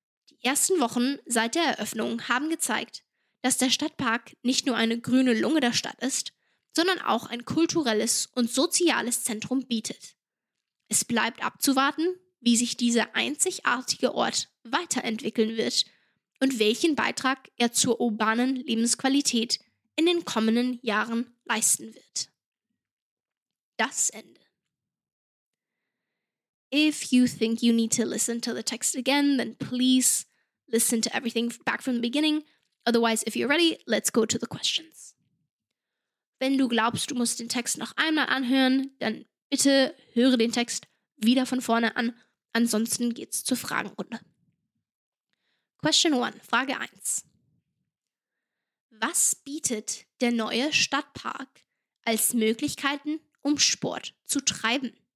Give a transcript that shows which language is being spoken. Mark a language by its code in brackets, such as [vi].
[de] Die ersten Wochen seit der Eröffnung haben gezeigt, dass der Stadtpark nicht nur eine grüne Lunge der Stadt ist, sondern auch ein kulturelles und soziales Zentrum bietet. Es bleibt abzuwarten, wie sich dieser einzigartige Ort weiterentwickeln wird und welchen Beitrag er zur urbanen Lebensqualität in den kommenden Jahren leisten wird. Das Ende. [en] If you think you need to listen to the text again, then please listen to everything back from the beginning. Otherwise, if you're ready, let's go to the questions. [de] Wenn du glaubst, du musst den Text noch einmal anhören, dann bitte höre den Text wieder von vorne an. Ansonsten geht's zur Fragenrunde. [en] Question 1, [de] Frage 1. Was bietet der neue Stadtpark als Möglichkeiten, um Sport zu treiben?